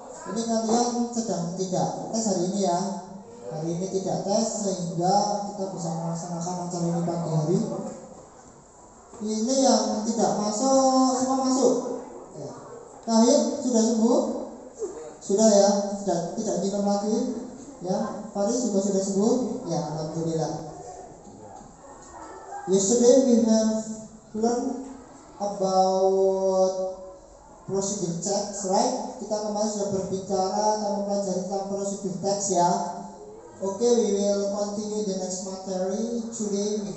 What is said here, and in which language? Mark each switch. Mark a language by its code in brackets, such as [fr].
[id] Ini kalian sedang tidak tes hari ini ya. Hari ini tidak tes sehingga kita bisa melaksanakan acara ini pagi hari. Ini yang tidak masuk, semua masuk. Kahit sudah sembuh? Sudah ya, sudah tidak minum lagi. Ya, Faris juga sudah sembuh? Ya, alhamdulillah. [en] Yesterday we have learned about procedure text, right? [id] Kita kemarin sudah berbicara dan mempelajari tentang procedure text ya. [en] Oke, okay, we will continue the next materi today.